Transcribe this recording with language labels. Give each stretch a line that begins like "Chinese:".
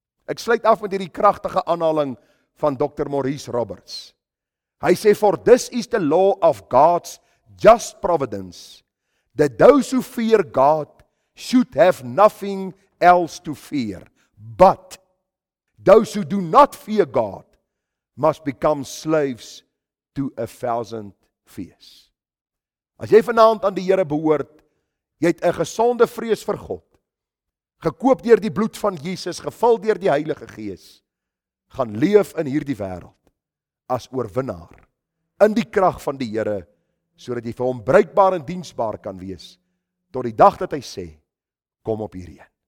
Afrikaans: Ek sluit af met hierdie kragtige aanhaling van Dr. Maurice Roberts. Hy sê,
English: for this is the law of God's just providence, that those who fear God should have nothing else to fear, but those who do not fear God must become slaves to a thousand fears.
Afrikaans: As jy vanavond aan die Here behoort, jy het 'n gesonde vrees vir God, gekoop deur die bloed van Jesus, gevul deur die Heilige Gees, gaan leef in hierdie wêreld as oorwinnaar, in die krag van die Here, sodat jy vir hom bruikbaar en diensbaar kan wees, tot die dag dat hy sê, kom op hierheen.